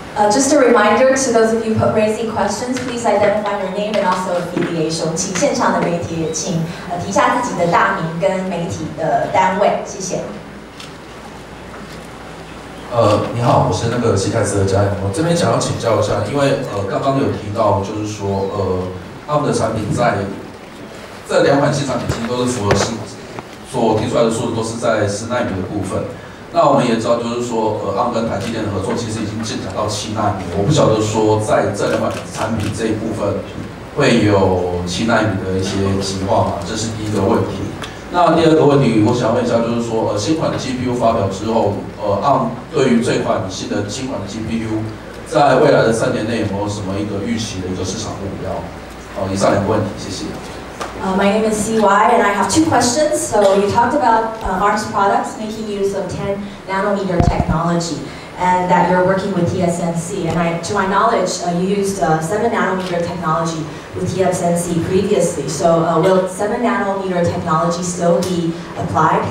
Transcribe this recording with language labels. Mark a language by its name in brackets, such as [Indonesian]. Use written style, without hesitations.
[English] Just a reminder to those of you raising questions, please identify your name and also affiliation. [Chinese] 请线上的媒体也请提下自己的大名跟媒体的单位，谢谢。你好，我是那个西泰斯的嘉颖，我这边想要请教一下，因为刚刚有提到，就是说ARM的产品在这两款新产品其实都是符合所提出来的速度，都是在10奈米的部分。那我们也知道，就是说ARM 跟台积电的合作其实已经进展到7奈米，我不晓得说在这两款产品这一部分会有7奈米的一些计划吗？这是第一个问题。那第二个问题，我想问一下，就是说新款的 GPU 发表之后。 ARM 对于这款新的GPU 在未来的3年内有没有什么一个预期的一个市场目标？以上两个问题，谢谢。 [English] My name is CY, and I have two questions. So you talked about ARM's products making use of 10 nanometer technology, and that you're working with TSMC. And I, to my knowledge, you used 7 nanometer technology with TSMC previously. So will 7 nanometer technology still be applied?